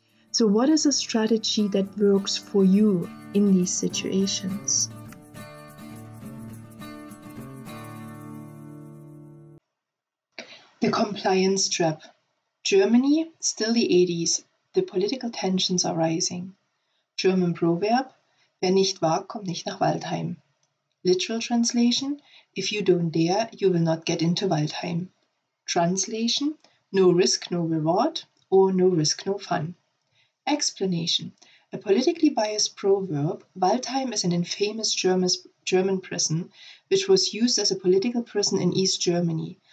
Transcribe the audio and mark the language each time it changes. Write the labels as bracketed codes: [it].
[en] So what is a strategy that works for you in these situations? The compliance trap. Germany, still the 80s, the political tensions are rising. German proverb, [de] wer nicht wagt, kommt nicht nach Waldheim. [en] Literal translation, if you don't dare, you will not get into Waldheim. Translation, no risk, no reward, or no risk, no fun. Explanation, a politically biased proverb, Waldheim is an infamous German prison, which was used as a political prison in East Germany.